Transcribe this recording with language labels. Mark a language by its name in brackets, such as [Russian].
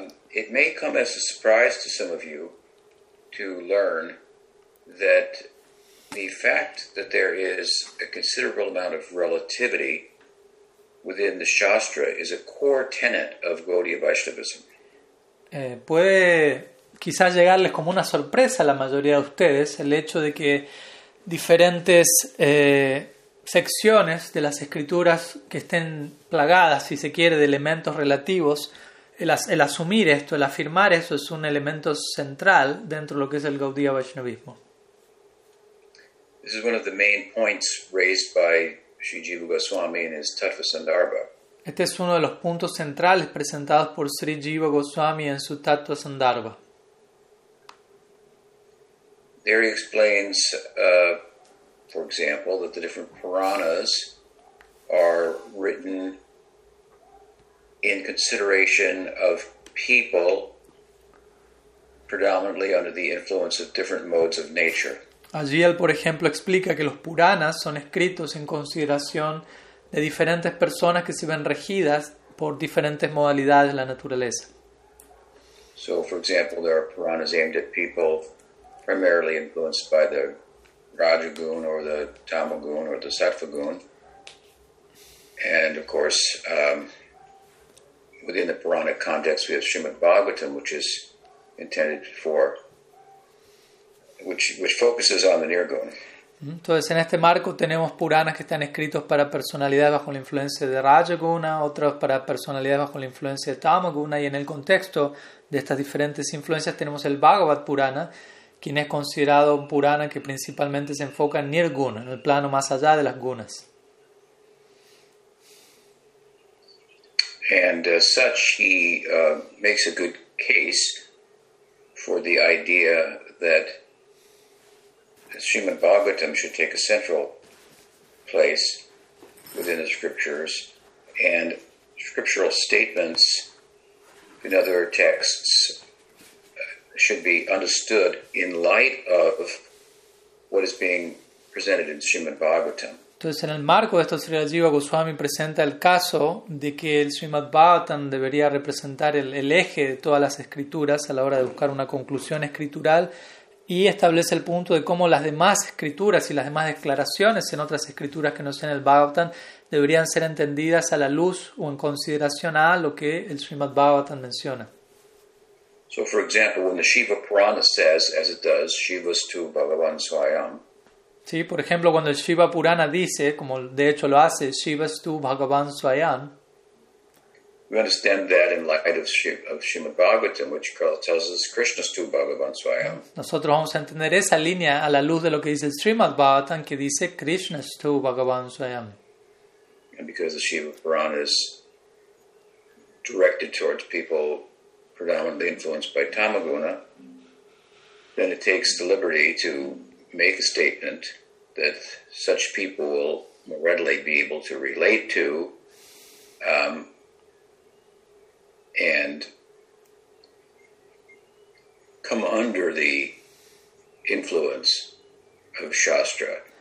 [English] It may come as a surprise to some of you to learn that the fact that there is a considerable amount of relativity within the Shastra is a core tenet of Gaudiya Vaishnavism. [Spanish] Puede quizás llegarles como una sorpresa a la mayoría de ustedes el hecho de que diferentes secciones de las escrituras que estén plagadas, si se quiere, de elementos relativos, el asumir esto, el afirmar eso, es un elemento central dentro de lo que es el Gaudiya Vaishnavismo. [English] This is one of the main points raised by Sri Jiva Goswami in his Tattva Sandarbha. [Spanish] Este es uno de los puntos centrales presentados por Sri Jiva Goswami en su Tattva Sandarbha. [English] There he explains, for example, that the different Puranas are written in consideration of people predominantly under the influence of different modes of nature. [Spanish] Allí él, por ejemplo, explica que los Puranas son escritos en consideración de diferentes personas que se ven regidas por diferentes modalidades de la naturaleza. [English] So, for example, there are Puranas aimed at people primarily influenced by the Rajagun or the Tamagun or the Sattvagun. And, of course, within the Puranic context, we have Srimad Bhagavatam, which is intended for which focuses on the Nirguna. [Spanish] Entonces, en este marco tenemos Puranas que están escritos para personalidades bajo la influencia de Rajaguna, otros para personalidades bajo la influencia de Tamaguna, y en el contexto de estas diferentes influencias tenemos el Bhagavad Purana, quien es considerado un Purana que principalmente se enfoca en Nirguna, en el plano más allá de las Gunas. [English] And as such, he makes a good case for the idea that Srimad Bhagavatam should take a central place within the scriptures, and scriptural statements in other texts should be understood in light of what is being presented in Srimad Bhagavatam. [Spanish] Entonces, en el marco de esto, Sri Jiva Goswami presenta el caso de que el Srimad Bhagavatam debería representar el eje de todas las escrituras a la hora de buscar una conclusión escritural, y establece el punto de cómo las demás escrituras y las demás declaraciones en otras escrituras que no sean el Bhagavatam deberían ser entendidas a la luz o en consideración a lo que el Srimad Bhagavatam menciona. [English] So, for example, when the Shiva Purana says, as it does, [Sanskrit] Shiva's to Bhagavan Swayam. [Spanish] Sí, por ejemplo, cuando el Shiva Purana dice, como de hecho lo hace, [Sanskrit] Shiva's to Bhagavan Swayam. [English] We understand that in light of Srimad Bhagavatam, which tells us [Sanskrit] Krishna is too Bhagavan Swayam. [Spanish] Nosotros vamos a entender esa línea a la luz de lo que dice Srimad Bhagavatam, que dice [Sanskrit] Krishna is too Bhagavan Swayam. [English] And because the Shiva Purana is directed towards people predominantly influenced by Tamaguna, then it takes the liberty to make a statement that such people will more readily be able to relate to and come under the influence of Shastra.